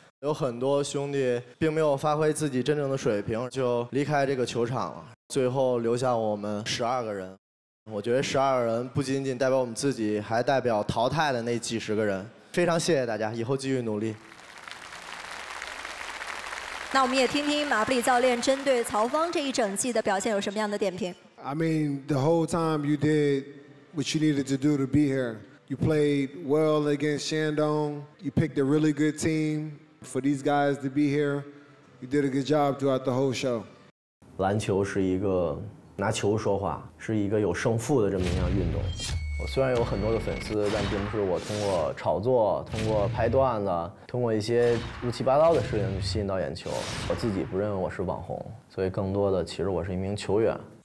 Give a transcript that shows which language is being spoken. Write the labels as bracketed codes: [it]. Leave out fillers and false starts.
[zh] 有很多兄弟并没有发挥自己真正的水平就离开这个球场了，最后留下我们十二个人。我觉得十二个人不仅仅代表我们自己，还代表淘汰的那几十个人。非常谢谢大家，以后继续努力。那我们也听听马布里教练针对曹芳这一整季的表现有什么样的点评。 [en] I mean, the whole time you did what you needed to do to be here. You played well against Shandong. You picked a really good team for these guys to be here. You did a good job throughout the whole show. [zh] 篮球是一个拿球说话，是一个有胜负的这么一项运动。我虽然有很多的粉丝，但并不是我通过炒作、通过拍段子、通过一些乱七八糟的事情去吸引到眼球。我自己不认为我是网红，所以更多的其实我是一名球员。